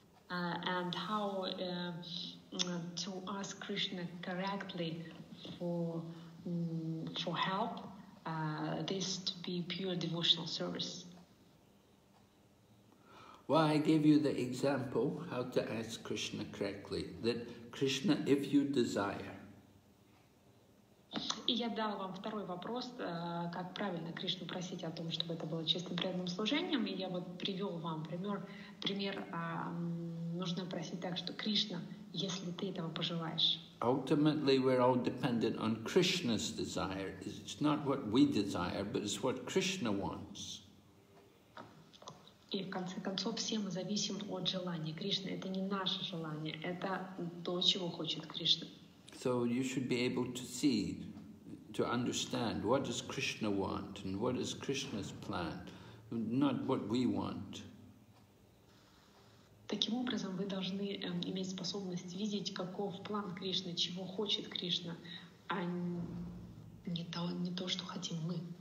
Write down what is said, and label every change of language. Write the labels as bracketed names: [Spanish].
[English] And how to ask Krishna correctly for help? This to be pure devotional service. Well, I gave you the example how to ask Krishna correctly. That Krishna, if you desire. [Russian] И я дал вам второй вопрос, как правильно Кришну просить о том, чтобы это было чистым преданным служением. И я вот привел вам пример, нужно просить так, что Кришна, если ты этого пожелаешь. [English] Ultimately, we're all dependent on Krishna's desire. It's not what we desire, but it's what Krishna wants. [Russian] И в конце концов все мы зависим от желания Кришны. Это не наше желание, это то, чего хочет Кришна. [English] So you should be able to see, to understand what does Krishna want and what is Krishna's plan, not what we want. [Russian] Таким образом, вы должны иметь способность видеть, каков план Кришны, чего хочет Кришна, а не то, что хотим мы.